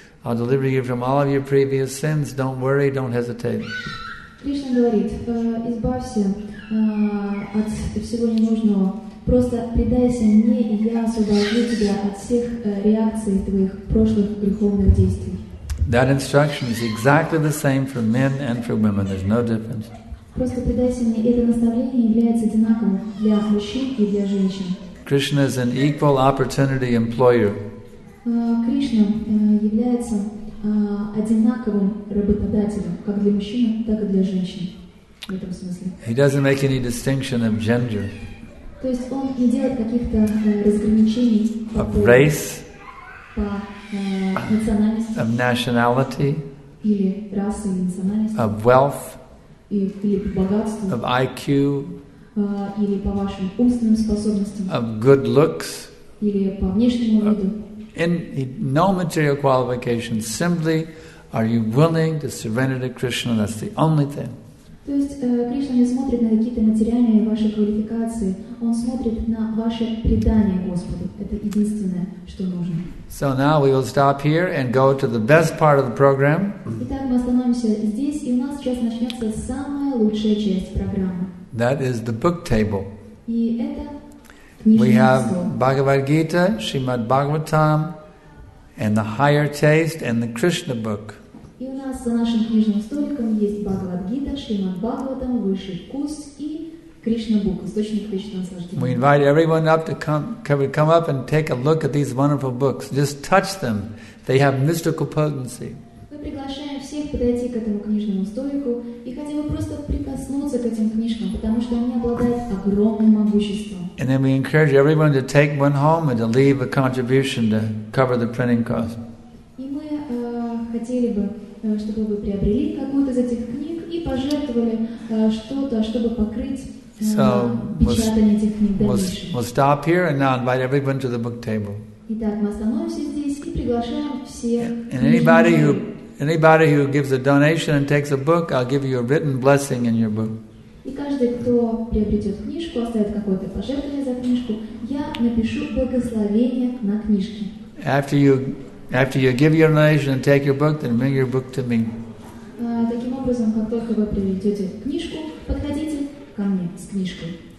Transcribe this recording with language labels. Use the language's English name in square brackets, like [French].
[English] I'll deliver you from all of your previous sins. Don't worry, don't hesitate. [Russian] Кришна говорит, избавься от всего ненужного. Просто предайся мне, и я освобожу тебя от всех реакций твоих прошлых греховных действий. [English] That instruction is exactly the same for men and for women. There's no difference. [Russian] Просто предайся мне, это наставление является одинаковым для мужчин и для женщин. [English] Krishna is an equal opportunity employer. [Russian] Krishna является одинаковым работодателем как для мужчины, так и для женщин. В этом смысле. [English] He doesn't make any distinction of gender. [Russian] То есть он не делает каких-то разграничений по [English] race, [Russian] по национальности, [English] of nationality, [Russian] или расы, или национальности, [English] of wealth, [Russian] или по богатству, [English] of IQ, [Russian] или по вашим умственным способностям, [English] of good looks, [Russian] или по внешнему виду. [English] In no material qualifications, simply are you willing to surrender to Krishna? That's the only thing. [Russian] То есть Кришна не смотрит на какие-то материальные ваши квалификации, он смотрит на ваше предание Господу. Это единственное, что нужно. [English] So now we will stop here and go to the best part of the program. [Russian] Итак, мы остановимся здесь, и у нас сейчас начнется самая лучшая часть программы. [English] That is the book table. We have Bhagavad Gita, Srimad Bhagavatam, and the Higher Taste, and the Krishna book. We invite everyone up to come up and take a look at these wonderful books. Just touch them. They have mystical potency. [Russian] Подойти к этому книжному столику и хотя бы просто прикоснуться к этим книжкам, потому что они обладают огромным могуществом. [English] And then we encourage everyone to take one home and to leave a contribution to cover the printing cost. [Russian] И мы хотели бы, чтобы вы приобрели какую-то из этих книг и пожертвовали что-то, чтобы покрыть печатание этих книг дальше. [English] We'll stop here and now invite everyone to the book table. [Russian] Итак, мы остановимся здесь и приглашаем всех. [English] And anybody who Anybody who gives a donation and takes a book, I'll give you a written blessing in your book. [Russian] И каждый, кто приобретет книжку, оставит какое-то пожертвование за книжку, я напишу благословение на книжке. [English] After you give your donation and take your book, then bring your book to me. [Russian] Таким образом, как только вы приобретете книжку, подходите ко мне с книжкой.